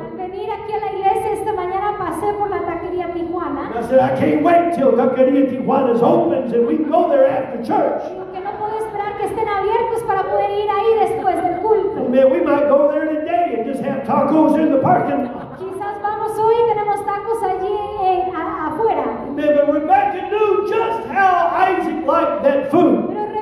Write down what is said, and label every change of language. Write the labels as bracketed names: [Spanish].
[Spanish] Al venir aquí a la iglesia esta mañana pasé por la Taquería Tijuana. [English] And I said, I can't wait till Taqueria Tijuana opens and we can go there after church. [Spanish] Porque no puedo esperar que estén abiertos para poder ir ahí después del culto. [English] Man, we might go there today and just have tacos in the parking lot. [Spanish] Quizás vamos hoy y tenemos tacos allí afuera. [English] Man, but Rebecca knew just how Isaac liked that food.